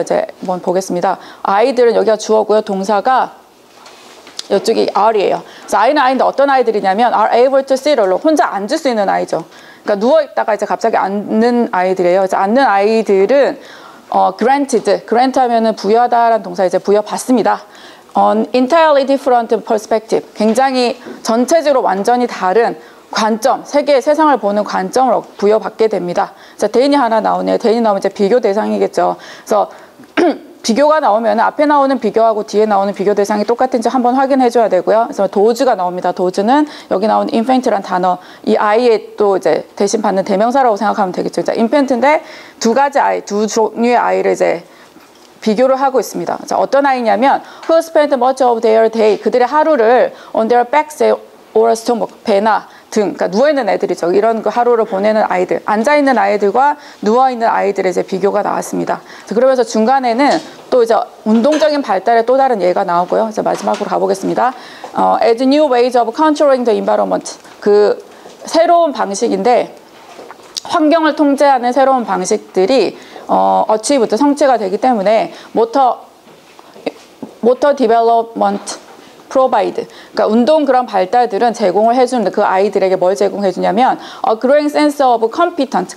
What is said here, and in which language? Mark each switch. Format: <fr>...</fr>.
<ko>이제 한번 보겠습니다. 아이들은 여기가 주어고요. 동사가 이쪽이 are이에요. 그래서 아이는 아이인데 어떤 아이들이냐면</ko> <en>are able to sit alone.</en> <ko>혼자 앉을 수 있는 아이죠. 그러니까 누워있다가 이제 갑자기 앉는 아이들이에요. 이제 앉는 아이들은 granted. grant 하면은 부여하다라는 동사 이제 부여받습니다.</ko> <en>on entirely different perspective.</en> <ko>굉장히 전체적으로 완전히 다른 관점, 세계의 세상을 보는 관점을 부여받게 됩니다. 자, 대인이 하나 나오네요. 대인이 나오면 이제 비교 대상이겠죠. 그래서 비교가 나오면 앞에 나오는 비교하고 뒤에 나오는 비교 대상이 똑같은지 한번 확인해줘야 되고요. 그래서 도즈가 나옵니다. 도즈는 여기 나온 infant란 단어, 이 아이의 또 이제 대신 받는 대명사라고 생각하면 되겠죠. 자, infant인데 두 가지 아이, 두 종류의 아이를 이제 비교를 하고 있습니다. 자, 어떤 아이냐면</ko> <en>who spent much of their day,</en> <ko>그들의 하루를</ko> <en>on their backs or stomach,</en> <ko>배나 등, 그러니까 누워있는 애들이죠. 이런 그 하루를 보내는 아이들, 앉아있는 아이들과 누워있는 아이들의 이제 비교가 나왔습니다. 그러면서 중간에는 또 이제 운동적인 발달의 또 다른 예가 나오고요. 이제 마지막으로 가보겠습니다.</ko> <en>As new ways of controlling the environment.</en> <ko>그 새로운 방식인데 환경을 통제하는 새로운 방식들이 어치부터 성취가 되기 때문에</ko> <en>모터 디벨롭먼트</en> <ko>provide. 그러니까 운동 그런 발달들은 제공을 해주는데 그 아이들에게 뭘 제공해 주냐면</ko> <en>a growing sense of competence.</en>